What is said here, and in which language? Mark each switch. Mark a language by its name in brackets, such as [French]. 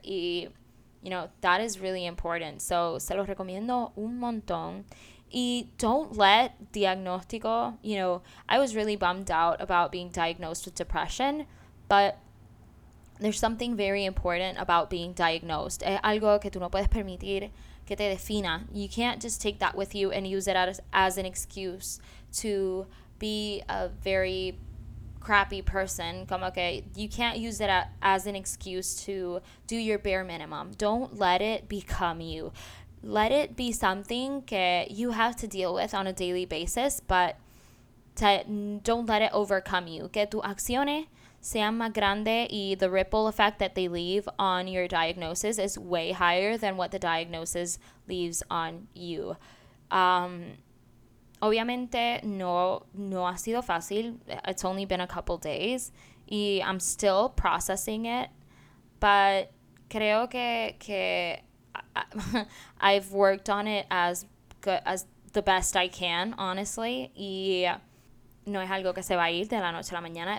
[English] Y, you know, that is really important. So, [Spanish] se los recomiendo un montón. [English] Y don't let diagnóstico, you know, I was really bummed out about being diagnosed with depression, but there's something very important about being diagnosed. [Spanish] Es algo que tú no puedes permitir que te defina. [English] You can't just take that with you and use it as an excuse to be a very crappy person. [Spanish] Como que [English] you can't use it as an excuse to do your bare minimum. Don't let it become you. Let it be something que you have to deal with on a daily basis, but don't let it overcome you. [Spanish] Que tus acciones sean más grandes y [English] the ripple effect that they leave on your diagnosis is way higher than what the diagnosis leaves on you. [Spanish] Obviamente no ha sido fácil. [English] It's only been a couple days y I'm still processing it, but [Spanish] creo que [English] I've worked on it as good as the best I can, honestly. [Spanish] Y no es algo que se va a ir de la noche a la mañana.